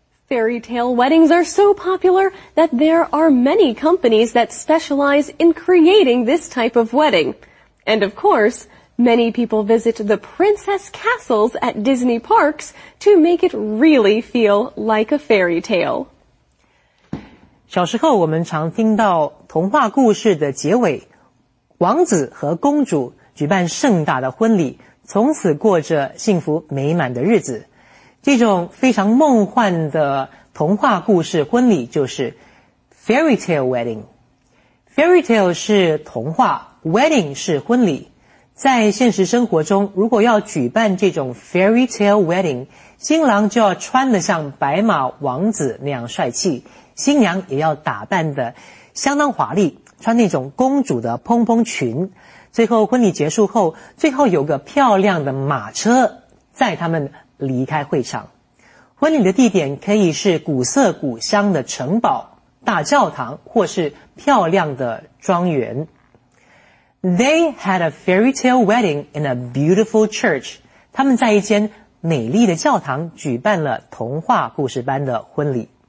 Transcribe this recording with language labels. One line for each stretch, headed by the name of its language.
English: Fairy tale weddings are so popular that there are many companies that specialize in creating this type of wedding. And of course, many people visit the princess castles at Disney parks to make it really feel like a fairy tale.
Chinese: 小时候我们常听到童话故事的结尾，王子和公主举办盛大的婚礼，从此过着幸福美满的日子。这种非常梦幻的童话故事婚礼就是 fairy tale wedding。 Fairy tale 是童话， wedding 是婚礼。在现实生活中，如果要举办这种 fairy tale wedding， 新郎就要穿得像白马王子那样帅气，新娘也要打扮得相当华丽，穿那种公主的蓬蓬裙。最后婚礼结束后，最后有个漂亮的马车载他们离开会场。婚礼的地点可以是古色古香的城堡、大教堂，或是漂亮的庄园。
English: They had a fairy tale wedding in a beautiful church.
Chinese: 他们在一间美丽的教堂举办了童话故事般的婚礼。